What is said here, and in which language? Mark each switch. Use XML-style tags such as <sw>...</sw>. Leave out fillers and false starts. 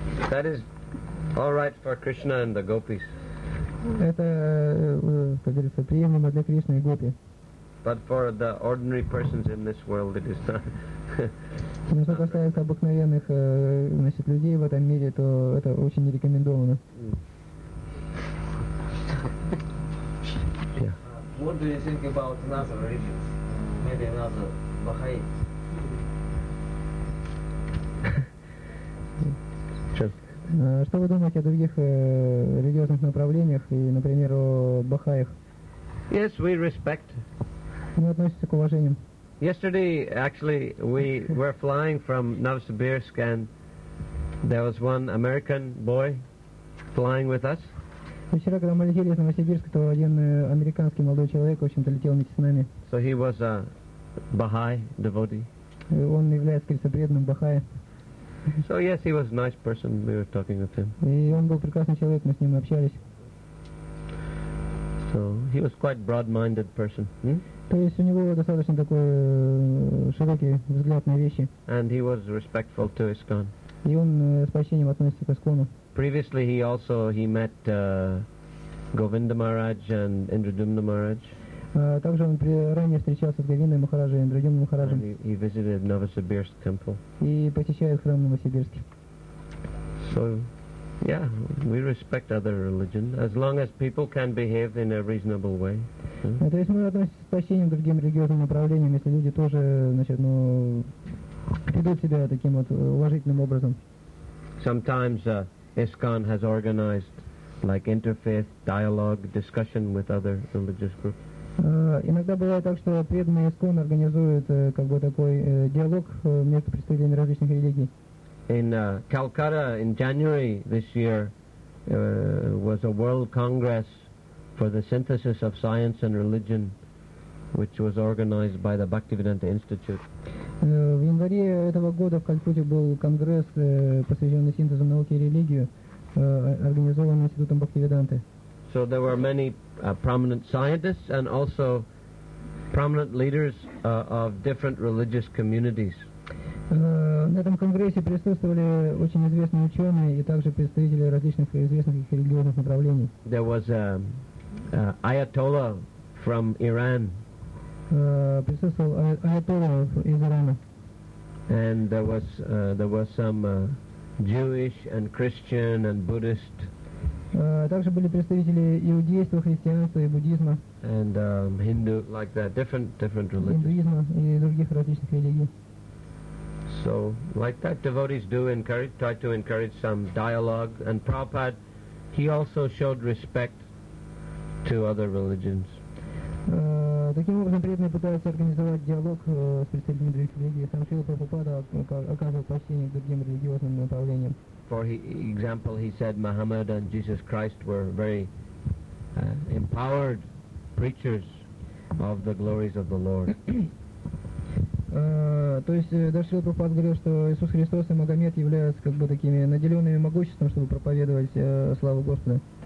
<en>That is all right for Krishna and the gopis.</en> <ru>Это, как говорится, приемлемо для Кришны и Гопи.</ru> <en>But for the ordinary persons in this world, it is not.</en> <ru>Но что касается обыкновенных, значит, людей в этом мире, то это очень не рекомендовано.</ru> <en>What do you think about another religions? Maybe another Bahá'ís.</en> <ru>Чёрт. Что вы думаете о других религиозных направлениях и, например, о бахаях?</ru> <en>Yes, we respect.</en> <ru>Мы относимся к уважениям.</ru> <en>Yesterday, actually, we were flying from Novosibirsk, and there was one American boy flying with us.</en> <ru>Вчера, когда мы летели из Новосибирска, то один американский молодой человек, в общем-то, летел вместе с нами.</ru> <en>So he was a Baha'i devotee.</en> <ru>Он является крестопреданным бахая.</ru> <en>So yes, he was a nice person. We were talking with him.</en> <ru>И он был прекрасный человек, мы с ним общались.</ru> <en>So he was quite broad-minded person.</en> <ru>То есть у него достаточно такой широкий взгляд на вещи.</ru> <en>And he was respectful to ISKCON.</en> <ru>И он с почтением относится к ISKCON.</ru> <en>Previously, he met Govinda Maharaj and Indradyumna Maharaj.</en> <ru>Также он ранее встречался с Говиндой Махараджей и Индрадьюмной Махараджем.</ru> <en>He visited Novosibirsk temple.</en> <ru>И посещает храм Новосибирский.</ru> <en>So, yeah, we respect other religion as long as people can behave in a reasonable way.</en> <ru>То есть мы относимся с почтением к другим религиозным направлениям, если люди тоже, значит, ну, ведут себя таким вот уважительным образом.</ru> <en>Sometimes ISKCON has organized like interfaith dialogue discussion with other religious groups.</en> <ru>Иногда бывает так, что преданные ISKCON организуют как бы такой диалог между представителями различных религий.</ru> <en>In Calcutta in January this year was a world congress for the synthesis of science and religion, which was organized by the Bhaktivedanta Institute.</en> <ru>В январе этого года в Калькутте был конгресс, посвященный синтезу науки и религии, организованный Институтом Бхактивиданты.</ru> <en>So there were many prominent scientists and also prominent leaders of different religious communities.</en> <ru>На этом конгрессе присутствовали очень известные ученые и также представители различных известных религиозных направлений.</ru> <en>There was Ayatollah from Iran.</en> <ru>Присутствовал Ayatollah из Ирана.</ru> <en>And there was some Jewish and Christian and Buddhist.</en> <ru>Также были представители иудейства, христианства и буддизма.</ru> <en>And Hindu, like that, different religions.</en> <ru>Индуизма и других различных религий.</ru> <en>So, like that, devotees do encourage, try to encourage some dialogue. And Prabhupada, he also showed respect to other religions.</en> <ru>Таким образом, преданные пытаются организовать диалог с представителями других религий. Сам Шрила Прабхупада оказывал почтение к другим религиозным направлениям.</ru> <en>For example, he said Muhammad and Jesus Christ were very empowered preachers of the glories of the Lord.</en> <ru>То есть даже Шрила Прабхупада говорил, что Иисус Христос и Магомед являются как бы такими наделенными могуществом, чтобы проповедовать славу Господа.</ru>